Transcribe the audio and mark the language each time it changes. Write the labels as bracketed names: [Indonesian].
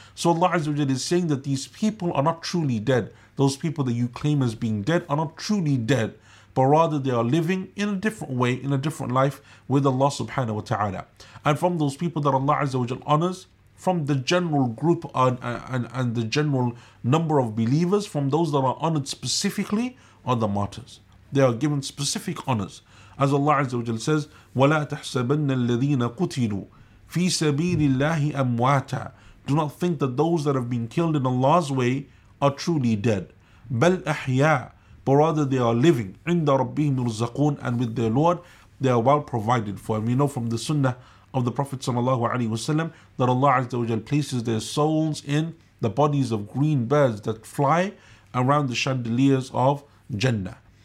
[English] So Allah Azza wa Jalla is saying that these people are not truly dead. Those people that you claim as being dead are not truly dead, but rather they are living in a different way, in a different life with Allah subhanahu wa ta'ala. And from those people that Allah Azza wa Jalla honors, from the general group and the general number of believers, from those that are honored specifically, are the martyrs. They are given specific honors. As Allah Azza wa Jalla says, [Arabic] وَلَا تَحْسَبَنَّ الَّذِينَ قُتِلُوا فِي سَبِيلِ اللَّهِ أَمْوَاتًا. [English] Do not think that those that have been killed in Allah's way are truly dead. [Arabic] بَلْ أَحْيَاءَ. [English] But rather they are living. [Arabic] عِنْدَ رَبِّهِمْ يُرْزَقُونَ. [English] And with their Lord, they are well provided for. And we know from the sunnah of the Prophet sallallahu alaihi wasallam that Allah Azza wa Jalla places their souls in the bodies of green birds that fly around the chandeliers of Jannah.